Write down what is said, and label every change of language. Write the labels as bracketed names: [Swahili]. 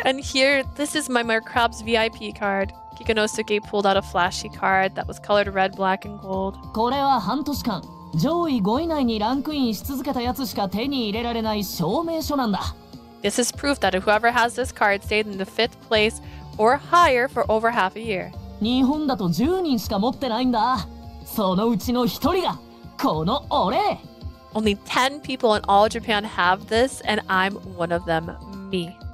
[English] And here, this is my Macrab's VIP card. Kikunosuke pulled out a flashy card that was colored red, black, and gold. [Japanese] これは半年間。上位5位内にランクインし続けたやつしか手に入れられない証明書なんだ。 [English] This is proof that whoever has this card stayed in the 5th place or higher for over half a year. [Japanese] 日本だと10人しか持ってないんだ。そのうちの1人がこの俺! [English] Only 10 people in all Japan have this, and I'm one of them, me.